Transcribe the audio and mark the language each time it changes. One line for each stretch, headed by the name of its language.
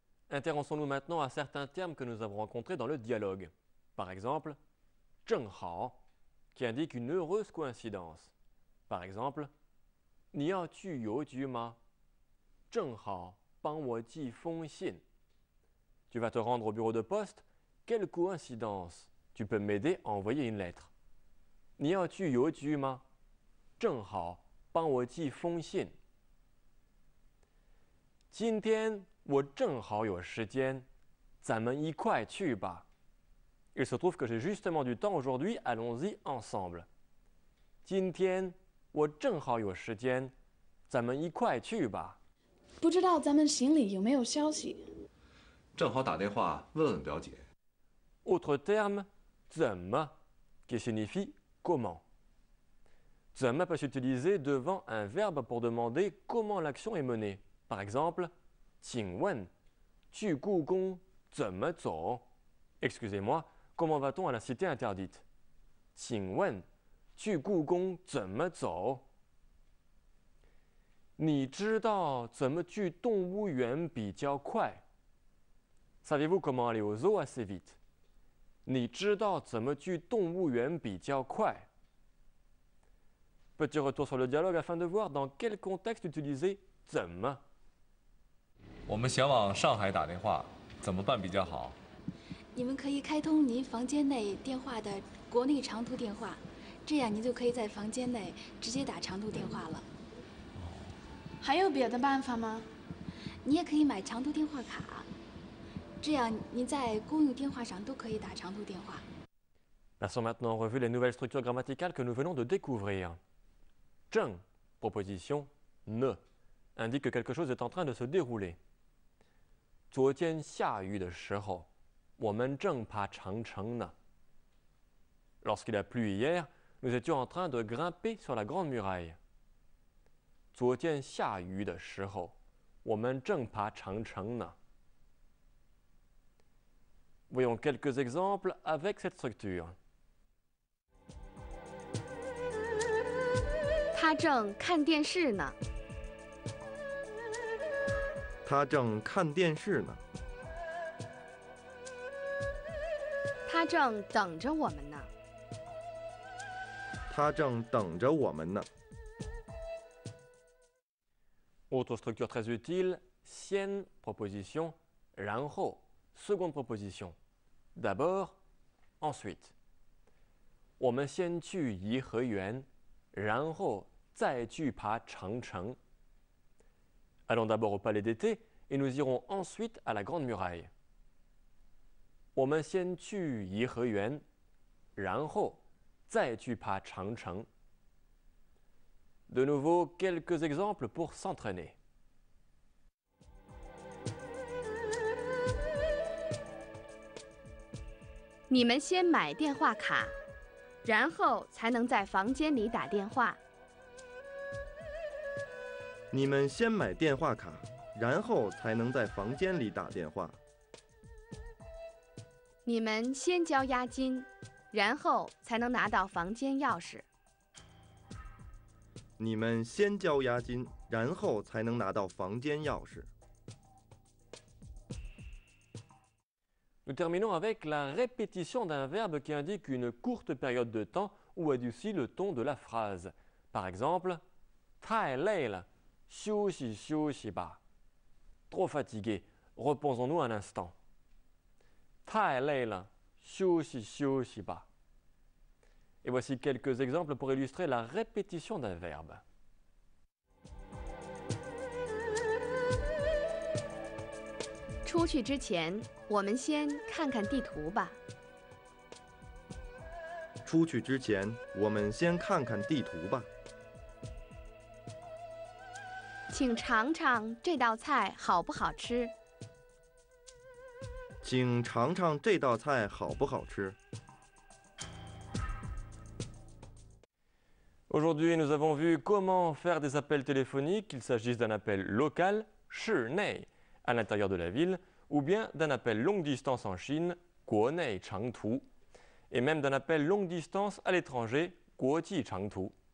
French: Intéressons-nous maintenant à certains termes que nous avons rencontrés dans le dialogue. Par exemple, 正好, qui indique une heureuse coïncidence. Par exemple,
Chinese: 你要去邮局吗？正好帮我寄封信。
French: Tu vas te rendre au bureau de poste? Quelle coïncidence! Tu peux m'aider à envoyer une lettre.
Chinese: 你要去邮局吗？正好帮我寄封信。今天我正好有时间，咱们一块去吧。
French: Il se trouve que j'ai justement du temps aujourd'hui, allons-y ensemble.
Chinese: 今天我正好有时间，咱们一块去吧。不知道咱们行李有没有消息？正好打电话问问表姐。
French: Autre terme, 怎么 qui signifie comment. 怎么 peut s'utiliser devant un verbe pour demander comment l'action est menée. Par exemple,
Chinese: 请问，去故宫怎么走？
French: Excusez-moi, comment va-t-on à la cité interdite?
Chinese: 请问去故宫怎么走？你知道怎么去动物园比较快？
French: Savez-vous comment aller au zoo assez vite？
Chinese: 你知道怎么去动物园比较快？
French: Petit retour sur le dialogue afin de voir dans quel contexte utiliser 怎么。
Chinese: 我们想往上海打电话，怎么办比较好？你们可以开通您房间内电话的国内长途电话，这样您就可以在房间内直接打长途电话了。还有别的办法吗？你也可以买长途电话卡，这样您在公用电话上都可以打长途电话。
French: Passons maintenant en revue les nouvelles structures grammaticales que nous venons de découvrir. 正 proposition ne indique que quelque chose est en train de se dérouler.
Chinese: 昨天下雨的时候，我们正爬长城呢。
French: Lorsqu'il a plu hier, nous étions en train de grimper sur la grande muraille.
Chinese: 昨天下雨的时候，我们正爬长城呢。
French: Voyons quelques exemples avec cette structure.
Chinese: 他正看电视呢。他正看电视呢。他正等着我们呢。他正等着我们呢。
French: Autre structure très utile, sien, proposition, 然后, seconde proposition, d'abord, ensuite.
Chinese: 我们先去颐和园，然后再去爬长城。
French: Allons d'abord au palais d'été et nous irons ensuite à la grande muraille.
Chinese: 我们先去颐和园，然后再去爬长城。
French: De nouveau, quelques exemples pour s'entraîner.
Chinese: 你们先买电话卡，然后才能在房间里打电话。你们先买电话卡，然后才能在房间里打电话。你们先交押金，然后才能拿到房间钥匙。你们先交押金，然后才能拿到房间钥匙。
French: Nous terminons avec la répétition d'un verbe qui indique une courte période de temps ou adoucit le ton de la phrase. Par exemple,
Chinese: 太累了，休息休息吧。
French: Trop fatigué, reposons-nous un instant.
Chinese: 太累了，休息休息吧。
French: Et voici quelques exemples pour illustrer la répétition d'un verbe.
Chinese: 出去之前，我们先看看地图吧。出去之前，我们先看看地图吧。请尝尝这道菜好不好吃？请尝尝这道菜好不好吃？
French: Aujourd'hui, nous avons vu comment faire des appels téléphoniques, qu'il s'agisse d'un appel local, 市内, à l'intérieur de la ville, ou bien d'un appel longue distance en Chine, 国内长途, et même d'un appel longue distance à l'étranger, 国际长途.